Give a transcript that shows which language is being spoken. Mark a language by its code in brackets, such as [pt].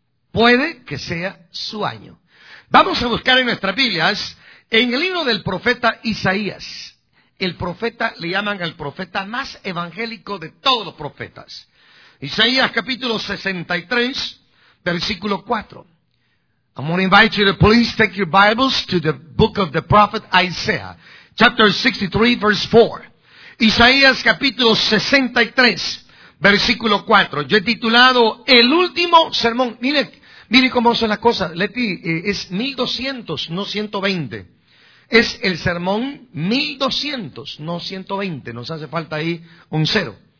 [es] Puede que sea su año. Vamos a buscar en nuestras Biblias, en el libro del profeta Isaías. El profeta, le llaman al profeta más evangélico de todos los profetas. Isaías capítulo 63, versículo 4. [en] I'm going to invite you to please take your Bibles to the book of the prophet Isaiah. Chapter 63, verse 4. [es] Isaías capítulo 63, versículo 4. Yo he titulado el último sermón. Mire cómo son las cosas, Leti, es 1200, no 120. Es el sermón 1200, no 120, nos hace falta ahí un cero.